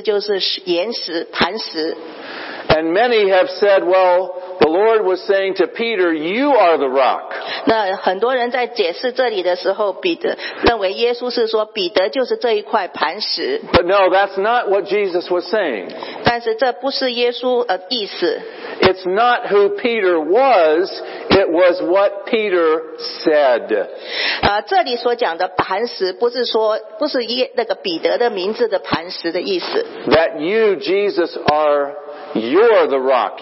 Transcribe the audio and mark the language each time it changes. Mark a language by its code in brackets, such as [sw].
[zh] 那耶稣就回答彼得说，你是有福的。我们知道彼得的名字意思就是岩石、磐石。 [en] And many have said, well, the Lord was saying to Peter, you are the rock. [zh] 那很多人在解释这里的时候，彼得认为耶稣是说彼得就是这一块磐石。 [en] But no, that's not what Jesus was saying. [zh] 但是这不是耶稣的意思。 [en] It's not who Peter was, it was what Peter said. [zh] 这里所讲的磐石不是那个彼得的名字的磐石的意思。 [en] That you, Jesus, are You are the rock.